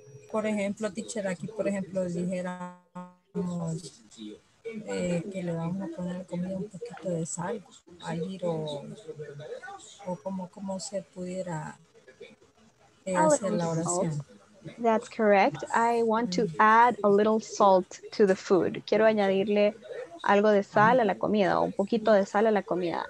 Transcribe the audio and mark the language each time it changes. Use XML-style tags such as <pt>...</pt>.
<es>Por ejemplo, teacher, aquí por ejemplo dijéramos que le vamos a poner comida un poquito de sal, a ir o como se pudiera hacer la oración.</es> <en>That's correct. I want to add a little salt to the food.</en> <es>Quiero añadirle algo de sal a la comida, un poquito de sal a la comida.</es>